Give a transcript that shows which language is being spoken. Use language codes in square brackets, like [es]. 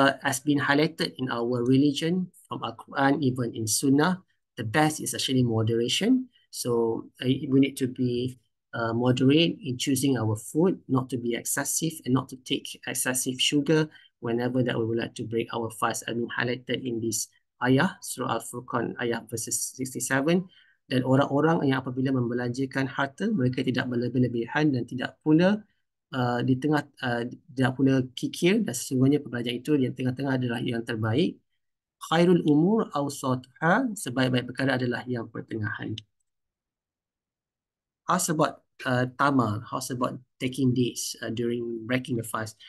[en] As been highlighted in our religion, from our Quran, even in Sunnah, the best is actually moderation. So we need to be moderate in choosing our food, not to be excessive and not to take excessive sugar whenever that we would like to break our fast, and highlighted in this ayah, Surah Al-Furqan, ayah verses 67. [ms] Dan orang-orang yang apabila membelanjakan harta, mereka tidak berlebih-lebihan dan tidak pula di tengah tidak pula kikir, dan sesungguhnya perbelanjaan itu yang tengah-tengah adalah yang terbaik. [ar] Khairul umur awsatuha, [ms] sebaik-baik perkara adalah yang pertengahan. [en] How's about tamar? How's about taking dates during breaking the fast?